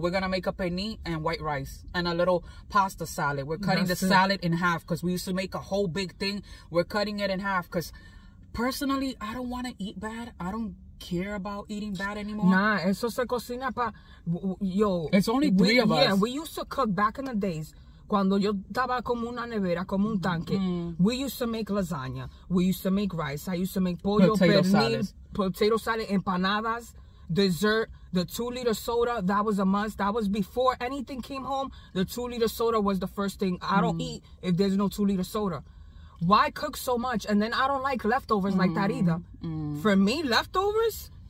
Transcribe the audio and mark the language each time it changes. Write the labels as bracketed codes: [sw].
[en] We're gonna make a penne and white rice and a little pasta salad. We're cutting the salad in half because we used to make a whole big thing. We're cutting it in half because personally, I don't want to eat bad. I don't care about eating bad anymore. [es] Nah, eso se cocina pa. Yo, [en] it's only three of us. Yeah, we used to cook back in the days. [es] Cuando yo estaba como una nevera, como un tanque, [en] we used to make lasagna. We used to make rice. I used to make pollo, potato salad, empanadas. Dessert, the 2 liter soda, that was a must. That was before anything came home. The 2 liter soda was the first thing. I don't eat if there's no 2 liter soda. Why cook so much? And then I don't like leftovers like that either. For me, leftovers?